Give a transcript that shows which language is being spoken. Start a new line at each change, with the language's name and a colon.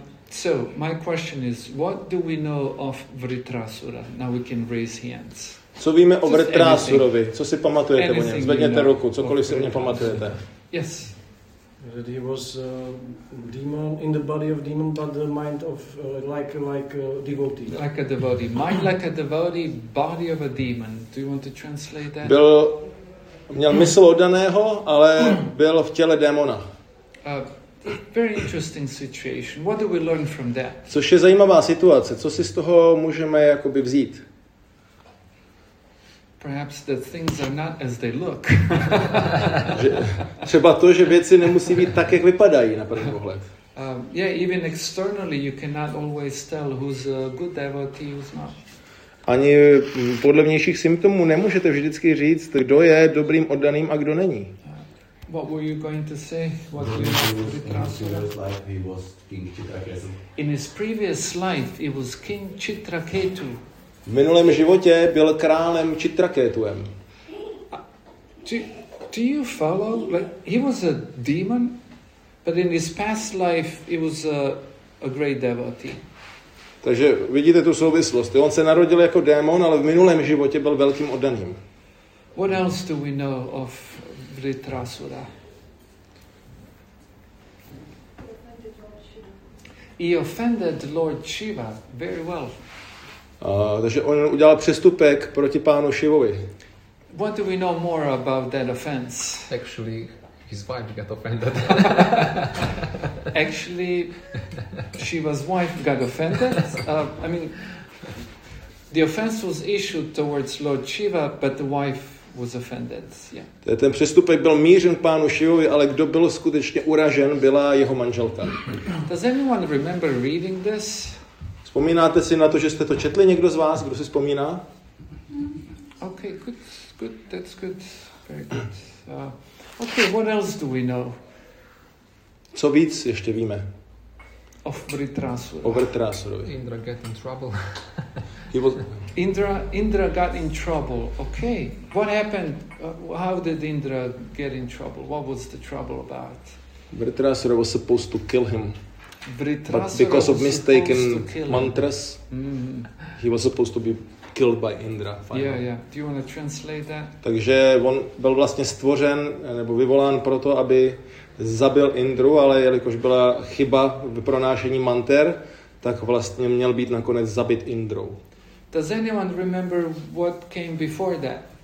English: So my question is, what do we know of Vritrasura? Now we can raise hands.
Czech: Co víme o Vritrasurovi? Co si pamatujete o něm? Zvedněte ruku, cokoliv si o něm pamatujete.
English: Yes. That he was demon in the body of demon, but the mind of like a devotee. Like a devotee, mind like a devotee, body of a demon. Do you want to translate that?
Czech: Byl měl mysl oddaného, ale byl v těle démona.
English: Very interesting situation. What do we learn from that?
Czech: Což je zajímavá situace. Co si z toho můžeme jakoby vzít?
English: Perhaps the things are not as they look.
Czech: Třeba to, že věci nemusí být tak, jak vypadají na první pohled.
English: Even externally you cannot always tell who's a good devotee, who's not.
Czech: Ani podle vnějších symptomů nemůžete vždycky říct, kdo je dobrým oddaným a kdo není.
English: What were you going to say? What in his previous life he was King Chitraketu. In his previous life he was King Chitraketu.
Czech: V minulém životě byl králem Chitraketuem.
English: Do you follow? Like, he was a demon, but in his past life he was a great devotee.
Czech: Takže vidíte tu souvislost. On se narodil jako démon, ale v minulém životě byl velkým oddaným.
English: What else do we know of Vritrasura? He offended Lord Shiva very well.
Czech: Takže on udělal přestupek proti pánu Šivovi.
English: What do we know more about that offense? Actually, his wife got offended. Actually, Shiva's wife got offended. The offense was issued towards Lord Shiva, but the wife was offended. Yeah.
Czech: Ten přestupek byl mířen pánu Šivovi, ale kdo byl skutečně uražen, byla jeho manželka.
English: Does anyone remember reading this?
Czech: Vzpomínáte si na to, že jste to četli někdo z vás? Kdo si vzpomíná?
English: Okay, good, that's good, very good. What else do we know?
Czech: Co víc ještě víme?
English: Of Vritrasura.
Czech: O Vritrasurovi.
English: Indra got in trouble. Indra got in trouble. Okay, what happened? How did Indra get in trouble? What was the trouble about? Vritrasura was supposed to kill him. Vritrasura but because of mistaken mantras, he was supposed to be killed by Indra. Finally. Yeah. Do you want to translate that?
Czech: Takže on byl vlastně stvořen nebo vyvolán proto, aby zabil Indru, ale jelikož byla chyba v pronášení manter, tak vlastně měl být nakonec zabit Indrou.
English: Does anyone remember what came before that?